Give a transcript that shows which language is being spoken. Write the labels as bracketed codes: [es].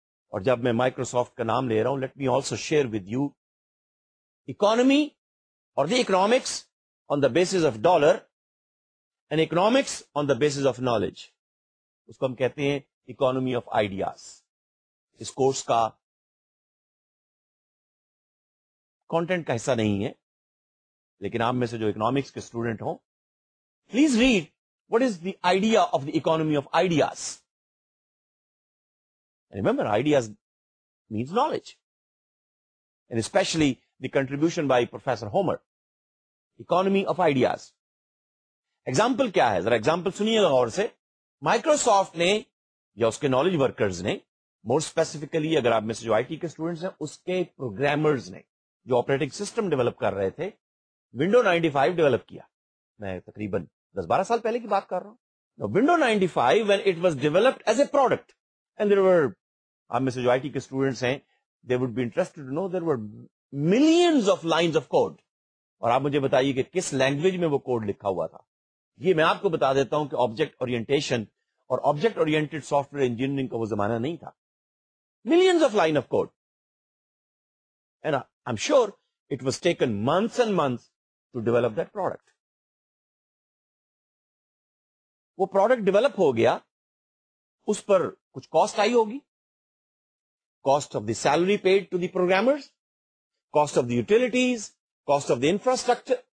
[ur] Aur jab main Microsoft ka naam le raha hu, [en] let me also share with you economy or the economics on the basis of dollar and economics on the basis of knowledge. [ur] Usko hum kehte hain [en] economy of ideas. [ur] اس course کا content کا حصہ نہیں ہے, لیکن آپ میں سے جو اکنامکس کے اسٹوڈنٹ ہوں, [en] Please read what is the idea of the economy of ideas. Remember ideas means knowledge, and specially the contribution by professor Homer. [ur] Economy of ideas example کیا ہے, ذرا ایگزامپل سنیے غور سے. مائکروسافٹ نے یا اس کے نالج ورکرز نے, [en] more specifically [ur] اگر آپ میں سے جو آئی ٹی کے اسٹوڈنٹس ہیں, اس کے پروگرامرز نے جو آپریٹنگ سسٹم ڈیولپ کر رہے تھے, ونڈو 95 ڈیولپ کیا. میں تقریباً 10-12 سال پہلے کی بات کر رہا ہوں. [en] window 95 when it was developed as a product, and there were, [ur] آپ میں سے جو آئی ٹی کے اسٹوڈنٹس ہیں, [en] they would be interested to know there were millions of lines of code. [ur] اور آپ مجھے بتائیے کہ کس لینگویج میں وہ کوڈ لکھا ہوا تھا. یہ میں آپ کو بتا دیتا ہوں کہ آبجیکٹ اورینٹیشن اور object oriented soft ware engineering کا وہ زمانہ نہیں تھا. [en] Millions of line of code. And I'm sure it was taken months and months to develop that product. [ur] Wo product develop ho gaya, us par kuch cost aayi hogi. [en] Cost of the salary paid to the programmers, cost of the utilities, cost of the infrastructure.